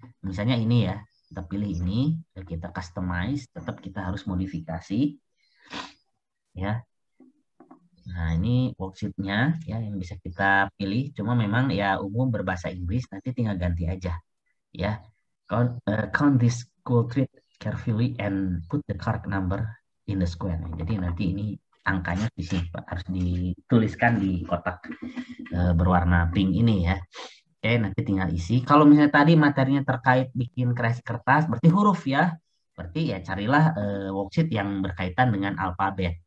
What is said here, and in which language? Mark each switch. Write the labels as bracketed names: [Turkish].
[Indonesian] Misalnya ini ya, kita pilih ini, kita customize, tetap kita harus modifikasi ya. Nah, ini worksheet-nya ya yang bisa kita pilih, cuma memang ya umum berbahasa Inggris, nanti tinggal ganti aja ya. [English] Count this school trip carefully and put the correct number in the square. [Indonesian] Nah, jadi nanti ini angkanya disimpan, harus dituliskan di kotak berwarna pink ini ya. Oke, nanti tinggal isi. Kalau misalnya tadi materinya terkait bikin kreasi kertas, berarti huruf ya. Berarti ya carilah worksheet yang berkaitan dengan alfabet.